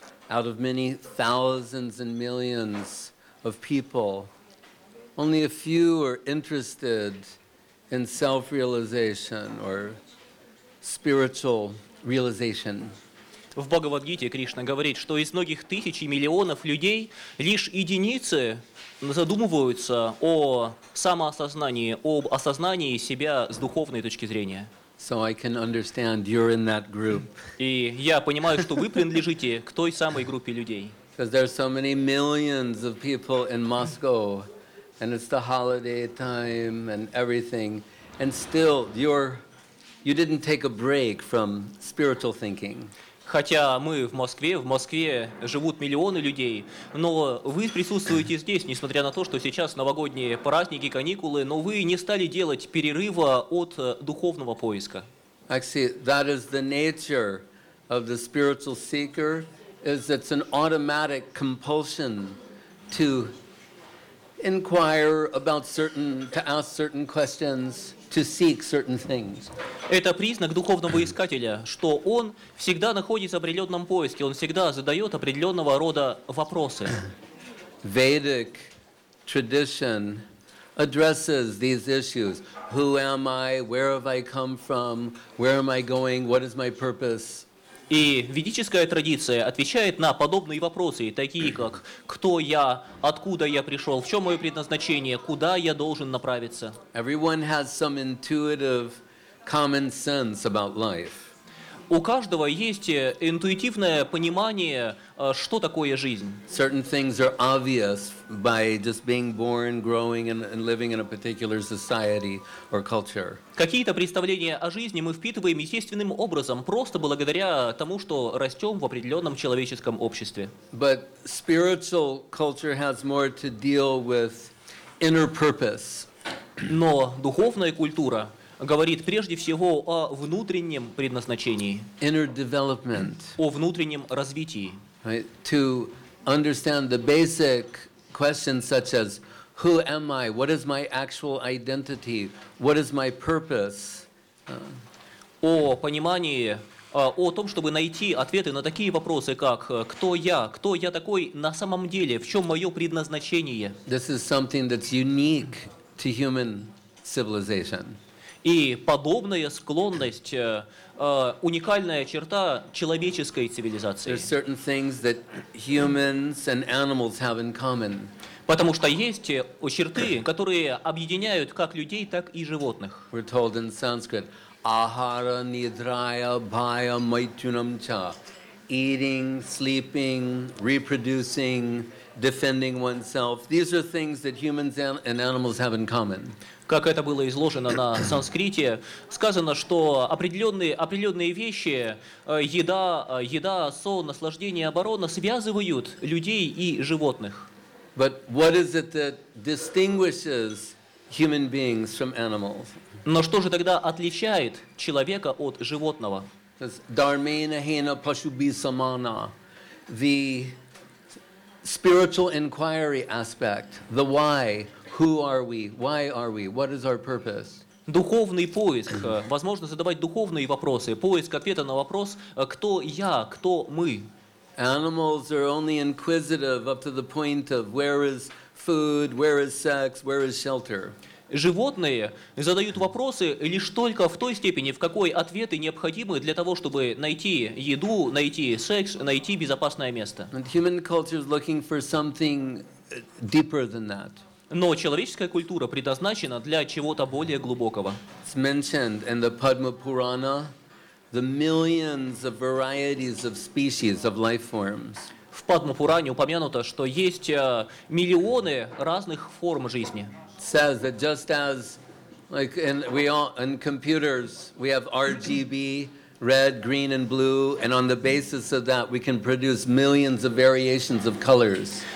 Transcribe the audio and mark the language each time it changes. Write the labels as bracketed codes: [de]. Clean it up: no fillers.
[en] Out of many thousands and millions of people, only a few are interested in self-realization or spiritual realization. [ru] В Бхагавад-гите Кришна говорит, что из многих тысяч и миллионов людей лишь единицы задумываются о самоосознании, об осознании себя с духовной точки зрения. [en] So I can understand you're in that group. [ru] И я понимаю, что вы принадлежите к той самой группе людей. [en] Because there are so many millions of people in Moscow, and it's the holiday time and everything, and still you didn't take a break from spiritual thinking. [ru] Хотя мы в Москве живут миллионы людей, но вы присутствуете здесь, несмотря на то, что сейчас новогодние праздники, каникулы, но вы не стали делать перерыва от духовного поиска. [en] Actually, that is the nature of the spiritual seeker, is it's an automatic compulsion to inquire about certain, to ask certain questions. To seek certain things. [ru] Это признак духовного искателя, что он всегда находится в определенном поиске, он всегда задает определенного рода вопросы. [en] Vedic tradition addresses these issues. Who am I? Where have I come from? Where am I going? What is my purpose? [ru] И ведическая традиция отвечает на подобные вопросы, такие как «Кто я? Откуда я пришел? В чем мое предназначение? Куда я должен направиться?» [en] Everyone has some intuitive common sense about life. [ru] У каждого есть интуитивное понимание, что такое жизнь. [en] Certain things are obvious by just being born, growing, and living in a particular society or culture. [ru] Какие-то представления о жизни мы впитываем естественным образом, просто благодаря тому, что растем в определенном человеческом обществе. [en] But spiritual culture has more to deal with inner purpose. [ru] Но духовная культура говорит прежде всего о внутреннем предназначении, [en] inner development, [ru] о внутреннем развитии. [en] Right? To understand the basic questions such as who am I, what is my actual identity, what is my purpose. [ru] О понимании, о том, чтобы найти ответы на такие вопросы, как кто я такой на самом деле, в чем мое предназначение. [en] This is something that's unique to human civilization. [ru] И подобная склонность уникальная черта человеческой цивилизации. [en] There are certain things that humans and animals have in common. [ru] Потому что есть черты, которые объединяют как людей, так и животных. [en] We're told in Sanskrit, [sa] ahara nidraya bhaya maitunam cha, [en] eating, sleeping, reproducing, defending oneself. These are things that humans and animals have in common. [ru] Как это было изложено на санскрите, сказано, что определенные вещи, еда, сон, наслаждение, оборона связывают людей и животных. [en] But what is it that distinguishes human beings from animals? [ru] Но что же тогда отличает человека от животного? [sa] Dharmena hena pashubhi samana, [en] the spiritual inquiry aspect, the why. Who are we? Why are we? What is our purpose? [ru] Духовный поиск. Возможно задавать духовные вопросы. Поиск ответа на вопрос «Кто я? Кто мы?» [en] Animals are only inquisitive up to the point of where is food, where is sex, where is shelter. [ru] Животные задают вопросы лишь только в той степени, в какой ответы необходимы для того, чтобы найти еду, найти секс, найти безопасное место. [en] And human culture is looking for something deeper than that. [ru] Но человеческая культура предназначена для чего-то более глубокого. [en] It's mentioned in the Padma Purana, the millions of varieties of species of life forms. [ru] В Падма Пуране упомянуто, что есть миллионы разных форм жизни. [en] It says that just as, like in computers, we have RGB, red, green, and blue, and on the basis of that, we can produce millions of variations of colors.